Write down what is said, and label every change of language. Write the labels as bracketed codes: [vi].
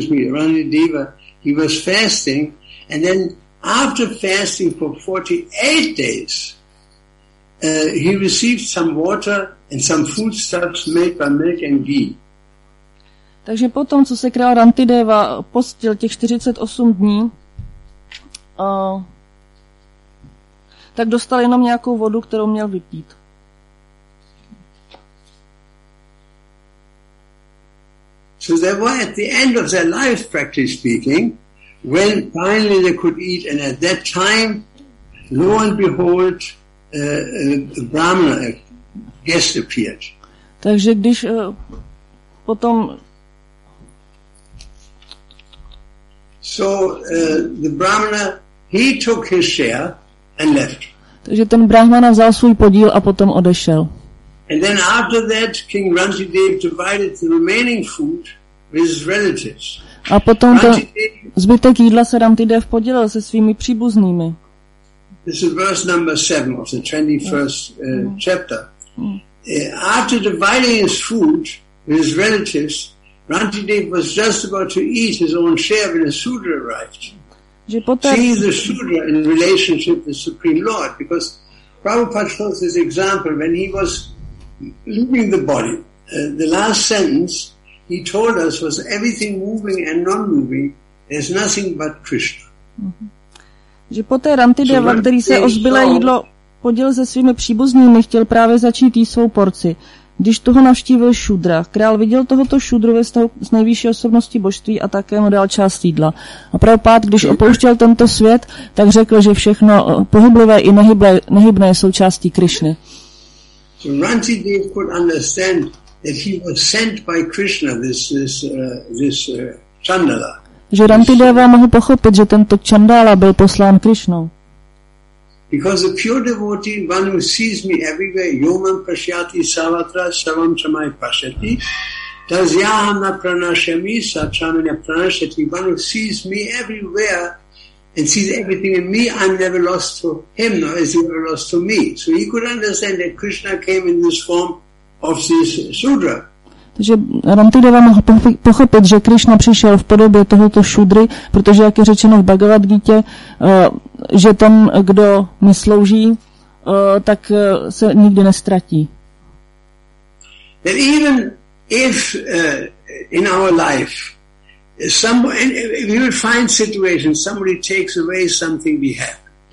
[en] Randideva, he was fasting, and then after fasting for 48 days, he received some water and some foodstuffs made by milk and ghee. [cs] Takže potom, co se král Randideva postil těch 48 dní, tak dostal jenom nějakou vodu, kterou měl vypít. [en] So they were at the end of their life, practically speaking, when finally they could eat, and at that time, lo and behold, a brahmana, a guest appeared. [cs] Takže když potom... [en] So the brahmana, he took his share and left. [cs] Takže ten brahmana vzal svůj podíl a potom odešel. [en] And then after that, King Rantideva divided the remaining food his relatives. [cs] A potom to zbytek jídla se Randidev podělil se svými příbuznými. [en] This is verse number 7 of the 21st chapter. After dividing his food with his relatives, Randidev was just about to eat his own share when a Sudra arrived. [cs] Že poté... [en] See the Sudra in relationship with the Supreme Lord, because Prabhupada shows this example when he was leaving the body. The last sentence he told us was everything moving and non-moving, there's nothing but Krishna. [cs] Že poté Randideva, který se o zbylé jídlo podělil se svými příbuznými, chtěl právě začít jíst svou porci. Když toho navštívil Šudra, král viděl tohoto Šudru ve vztahu s nejvyšší osobností božství a také mu dal část jídla. A Prabhupád, když opouštěl tento svět, tak řekl, že všechno pohyblivé i nehybné jsou součástí Krišny. [en] So Randideva could understand that he was sent by Krishna, this chandala. [cs] Že Randideva mohl pochopit, že tento chandala byl poslán Krishnou. [en] Because a pure devotee, one who sees me everywhere, [sa] yomam prashyati savatra savam chamai prashyati, does yaham na pranashyami satchamanya pranashyati, [en] one who sees me everywhere and sees everything in me, I'm never lost to him, nor is he ever lost to me. So he could understand that Krishna came in this form of this Shudra. [cs] Takže Randideva mohl pochopit, že Krishna přišel v podobě tohoto Shudry, protože jak je řečeno v Bhagavad Gita, že ten, kdo mi slouží, tak se nikdy nestratí. [en] That even if in our life somebody, we will find situations, somebody takes away something we have.